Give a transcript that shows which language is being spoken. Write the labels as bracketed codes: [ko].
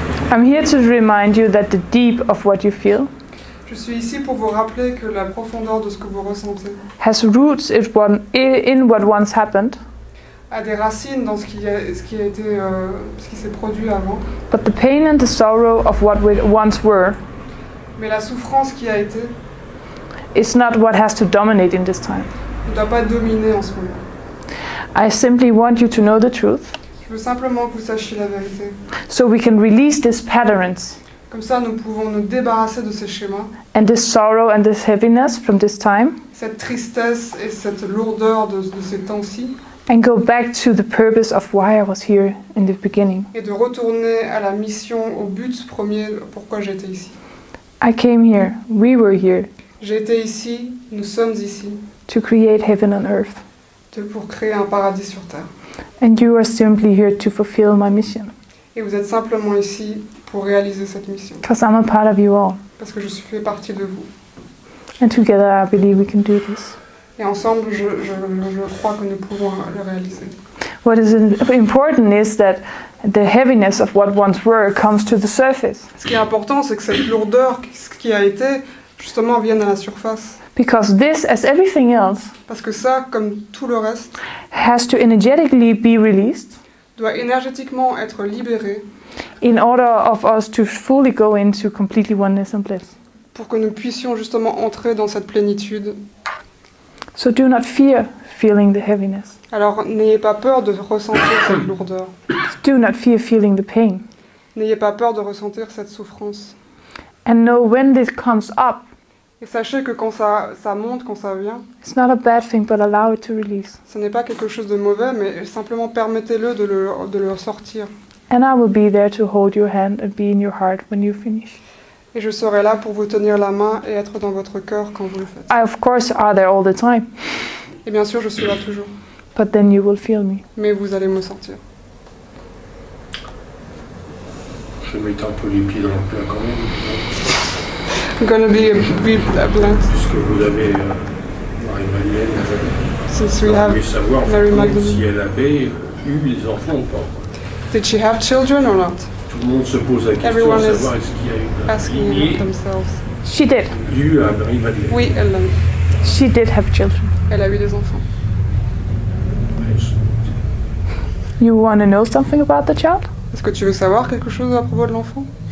[en] I'm here to remind you that the deep of what you feel. [fr] Je suis ici pour vous rappeler que la profondeur de ce que vous ressentez [en] has roots in what once happened. [fr] A des racines dans ce qui s'est produit avant. [en] But the pain and the sorrow of what we once were. [fr] Mais la souffrance qui a été. [en] It's not what has to dominate in this time. [fr] Ne doit pas dominer en ce moment. [en] I simply want you to know the truth. [fr] Je veux simplement que vous sachiez la vérité. [en] So we can release these patterns. [fr] Comme ça, nous pouvons nous débarrasser de ces schémas. [en] And this sorrow and this heaviness from this time. [fr] Cette tristesse et cette lourdeur de ces temps-ci. [en] And go back to the purpose of why I was here in the beginning. [fr] Et de retourner à la mission, au but premier, pourquoi j'étais ici. [en] I came here. We were here. [fr] J'étais ici. Nous sommes ici. [en] To create heaven on earth. [fr] Pour créer un paradis sur terre. [en] And you are simply here to fulfill my mission. [fr] Et vous êtes simplement ici. Pour réaliser cette mission. [en] Because I'm a part of you all. [fr] Parce que je suis fait partie de vous. [en] And together I believe we can do this. [fr] Et ensemble, je crois que nous pouvons le réaliser. [en] What is important is that the heaviness of what once were comes to the surface. [fr] Ce qui est important, c'est que cette lourdeur, ce qui a été, justement, vienne à la surface. [en] Because this, as everything else, [fr] parce que ça, comme tout le reste, [en] has to energetically be released. [fr] Doit énergétiquement être libéré. [en] In order of us to fully go into completely oneness and bliss. [fr] Pour que nous puissions justement entrer dans cette plénitude. [en] So do not fear feeling the heaviness. [fr] Alors n'ayez pas peur de ressentir cette lourdeur. [en] Do not fear feeling the pain. [fr] N'ayez pas peur de ressentir cette souffrance. [en] And know when this comes up. [fr] Et sachez que quand ça monte, quand ça vient. [en] It's not a bad thing, but allow it to release. [fr] Ce n'est pas quelque chose de mauvais, mais simplement permettez-le de le sortir. [en] And I will be there to hold your hand and be in your heart when you finish. [fr] Et je serai là pour vous tenir la main et être dans votre cœur quand vous le faites. [en] I of course are there all the time. [fr] Et bien sûr, je suis là toujours. [en] But then you will feel me. [fr] Mais vous allez me sentir. Je vais mettre un peu les pieds dans le plat quand même. [en] I'm gonna be a bit blunt. [fr] Puisque vous avez Marie-Madeleine, vous voulez savoir si elle avait eu des enfants ou pas. [en] did she have children or not? [fr] Tout le monde se pose la question. [en] Everyone [fr] de [en] is [fr] savoir, est-ce qu'il y a une [en] asking [fr] lignée [en] themselves. She did. [fr] Due à Marie-Madeleine. Oui, elle l'a. [en] She did have children. [fr] Elle a eu des enfants. [en] You want to know something about the child? [fr] Est-ce que tu veux savoir quelque chose à propos de l'enfant?